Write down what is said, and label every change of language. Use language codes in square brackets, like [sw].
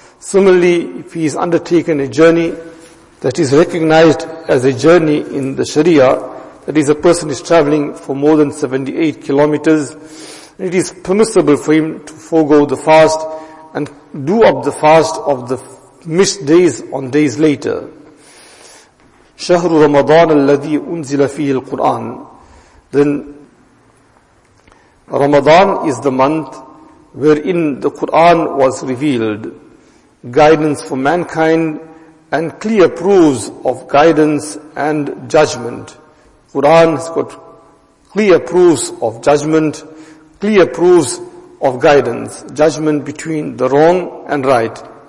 [en] Similarly, if he has undertaken a journey that is recognized as a journey in the Sharia, that is, a person is traveling for more than 78 kilometers, it is permissible for him to forego the fast and do up the fast of the missed days on days later. [ar] شهر رمضان الذي أنزل فيه القرآن. [en] Then Ramadan is the month wherein the Quran was revealed, guidance for mankind and clear proofs of guidance and judgment. Quran has got clear proofs of judgment, clear proofs of guidance, judgment between the wrong and right.